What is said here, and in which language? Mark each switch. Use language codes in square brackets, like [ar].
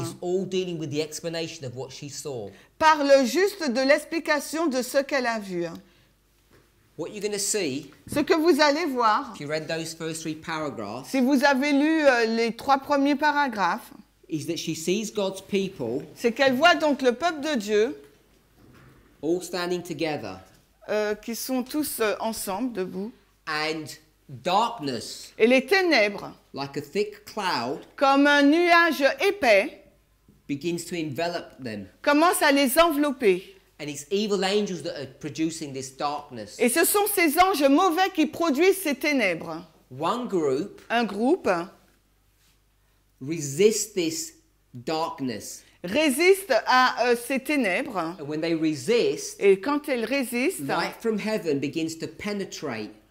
[en] is all dealing with the explanation of what she saw. [fr] Parle juste de l'explication de ce qu'elle a vu. [en] What you're going to see, [fr] ce que vous allez voir, [en] if you read those first three paragraphs, [fr] si vous avez lu les trois premiers paragraphes, [en] is that she sees God's people, [fr] c'est qu'elle voit donc le peuple de Dieu, [en] all standing together, [fr] qui sont tous ensemble, debout, [en] and darkness, [fr] et les ténèbres, [en] like a thick cloud, [fr] comme un nuage épais, [en] begins to envelop them, [fr] commence à les envelopper, [en] and it's evil angels that are producing this darkness, [fr] et ce sont ces anges mauvais qui produisent ces ténèbres. [en] One group, [fr] un groupe, [en] resist this darkness. [fr] Résiste à ces ténèbres. [en] And when they resist, [fr] et quand elles résistent, [en] light from heaven begins to penetrate.